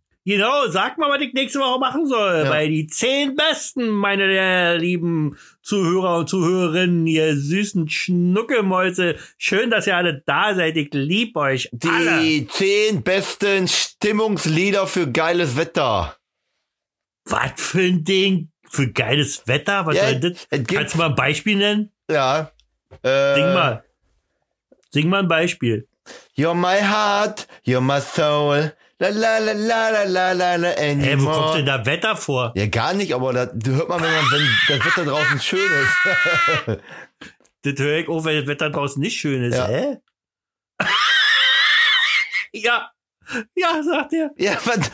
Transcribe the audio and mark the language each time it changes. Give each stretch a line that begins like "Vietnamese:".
German: Genau, sag mal, was ich nächste Woche machen soll, ja. Weil die 10 Besten, meine lieben Zuhörer und Zuhörerinnen, ihr süßen Schnuckelmäuse, schön, dass ihr alle da seid, ich lieb euch die alle. Die 10 besten Stimmungslieder für geiles Wetter. Was für ein Ding, für geiles Wetter, was soll das? Kannst du mal ein Beispiel nennen? Ja. Sing mal ein Beispiel.
English: You're my heart, you're my soul. La la la la la la la la.
German: Hey, wo kommt denn da Wetter vor? Ja, gar nicht, aber das hört man, wenn das Wetter draußen schön ist. Das höre ich auch, wenn das Wetter draußen nicht schön ist, hä? Ja. Ja, sagt er. Ja, was?